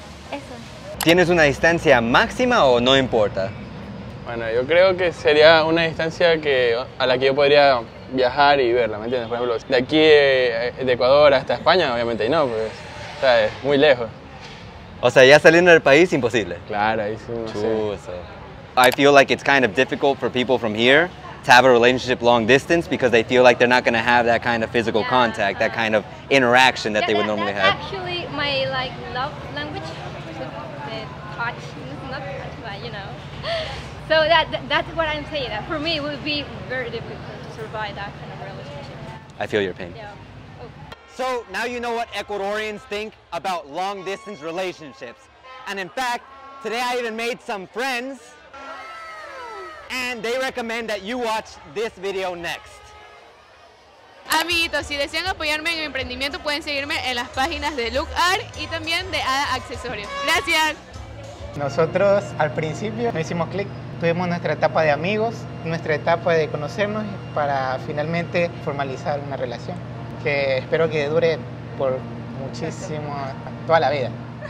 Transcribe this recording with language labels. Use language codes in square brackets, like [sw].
[es] Eso. ¿Tienes una distancia máxima o no importa? Bueno, yo creo que sería una distancia que, a la que yo podría viajar y verla, ¿me entiendes? Por ejemplo, de aquí de Ecuador hasta España, obviamente no, pues, ¿sabes? Muy lejos. O sea, ya saliendo del país, imposible. Claro, ahí sí, no sé. [en] I feel like it's kind of difficult for people from here to have a relationship long distance because they feel like they're not going to have that kind of physical contact, that kind of interaction that they would normally that's have. Actually my like love language, the touch, not touch, but you know. So that's what I'm saying, that for me it would be very difficult to survive that kind of relationship. I feel your pain. Yeah. So now you know what Ecuadorians think about long distance relationships. And in fact, today I even made some friends. And they recommend that you watch this video next. [es] Amiguitos, si desean apoyarme en mi emprendimiento, pueden seguirme en las páginas de Look Art y también de Ada Accesorios. ¡Gracias! Nosotros, al principio, no hicimos clic. Tuvimos nuestra etapa de amigos, nuestra etapa de conocernos para finalmente formalizar una relación que espero que dure por muchísimo, toda la vida.